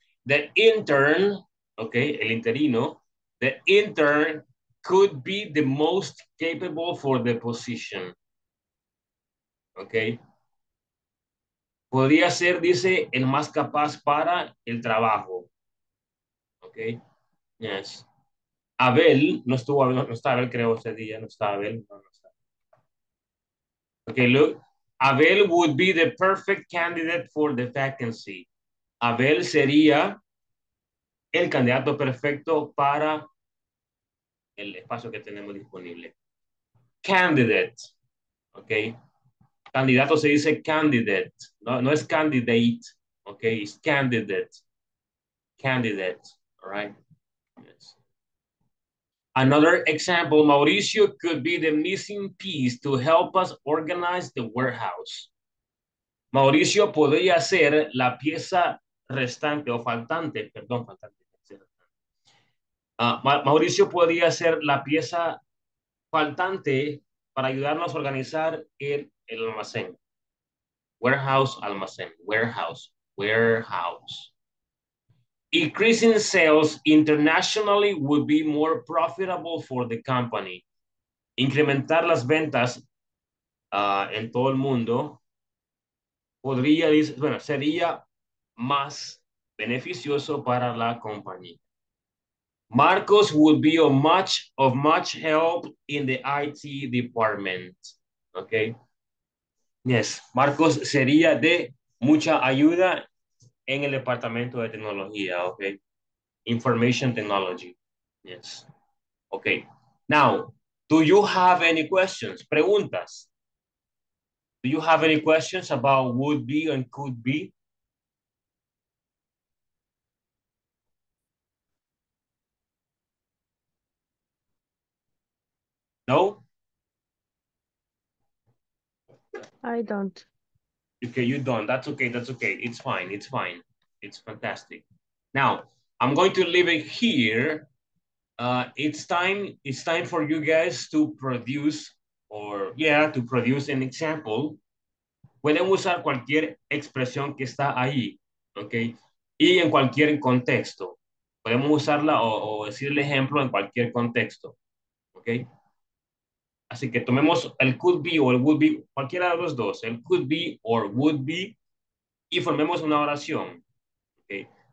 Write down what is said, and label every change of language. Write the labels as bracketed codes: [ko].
[en] The intern, okay, [es] el interino, [en] the intern could be the most capable for the position. Okay. [es] Podría ser, dice, el más capaz para el trabajo. Okay. Yes. Abel, no estuvo, no está Abel, creo, ese día, no está Abel. No, no está. [en] Okay, look. Abel would be the perfect candidate for the vacancy. [es] Abel sería el candidato perfecto para el espacio que tenemos disponible. Candidate. Ok. Candidato se dice candidate. No, no es candidate. Ok. Es candidate. Candidate. [en] All right. Yes. Another example. Mauricio could be the missing piece to help us organize the warehouse. [es] Mauricio podría ser la pieza restante o faltante. Perdón, faltante. Mauricio podría ser la pieza faltante para ayudarnos a organizar el almacén. [en] Warehouse, almacén. Warehouse, warehouse. Increasing sales internationally would be more profitable for the company. [es] Incrementar las ventas en todo el mundo podría, bueno, sería más beneficioso para la compañía. [en] Marcos would be of much help in the IT department. Okay. [es] Yes, Marcos sería de mucha ayuda en el departamento de tecnología, okay? [en] Information technology. Yes. Okay. Now, do you have any questions? Preguntas. Do you have any questions about would be and could be? No? I don't. Okay, you don't. That's okay. That's okay. It's fine. It's fine. It's fantastic. Now, I'm going to leave it here. It's time for you guys to produce an example. [es] Pueden usar cualquier expresión que está ahí, okay? Y en cualquier contexto. Podemos usarla o decir el ejemplo en cualquier contexto, okay? Así que tomemos el could be o el would be, cualquiera de los dos, el [en] could be or would be, [es] y formemos una oración. Okay.